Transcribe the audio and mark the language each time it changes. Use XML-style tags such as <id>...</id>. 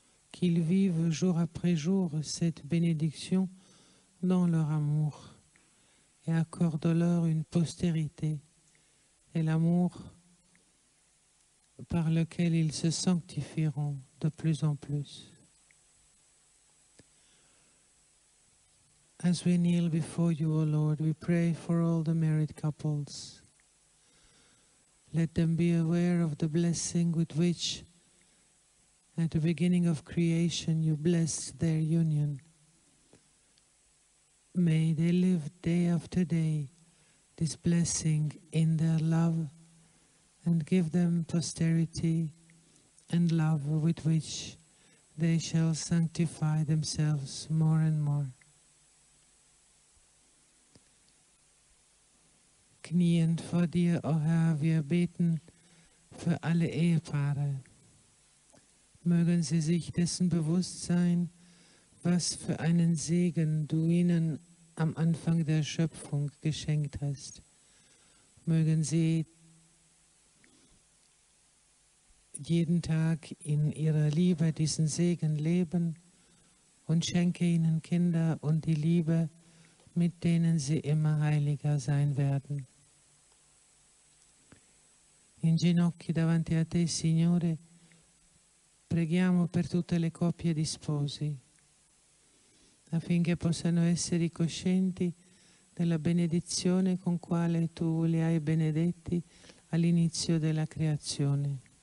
<fr>Qu'ils vivent jour après jour cette bénédiction dans leur amour et accorde-leur une postérité et l'amour par lequel ils se sanctifieront de plus en plus.</fr> <en>As we kneel before you, O Lord, we pray for all the married couples. Let them be aware of the blessing with which at the beginning of creation, you blessed their union. May they live day after day this blessing in their love and give them posterity and love with which they shall sanctify themselves more and more.</en> <de>Knieend vor dir, O Herr, wir beten für alle Ehepaare. Mögen sie sich dessen bewusst sein, was für einen Segen du ihnen am Anfang der Schöpfung geschenkt hast. Mögen sie jeden Tag in ihrer Liebe diesen Segen leben und schenke ihnen Kinder und die Liebe, mit denen sie immer heiliger sein werden.</de> <it>In ginocchi davanti a te, Signore, preghiamo per tutte le coppie di sposi, affinché possano essere coscienti della benedizione con quale tu li hai benedetti all'inizio della creazione.</it>